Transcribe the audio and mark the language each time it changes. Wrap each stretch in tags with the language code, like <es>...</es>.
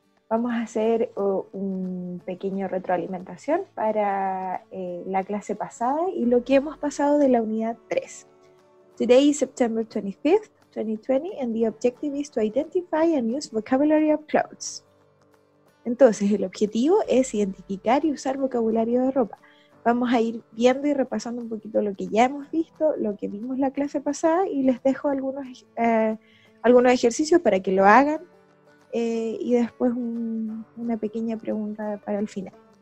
<es>Vamos a hacer un pequeño retroalimentación para la clase pasada y lo que hemos pasado de la Unidad 3.</es> <en>Today is September 25th, 2020, and the objective is to identify and use vocabulary of clothes.</en> <es>Entonces, el objetivo es identificar y usar vocabulario de ropa. Vamos a ir viendo y repasando un poquito lo que ya hemos visto, lo que vimos la clase pasada, y les dejo algunos ejercicios para que lo hagan, y después una pequeña pregunta para el final.</es>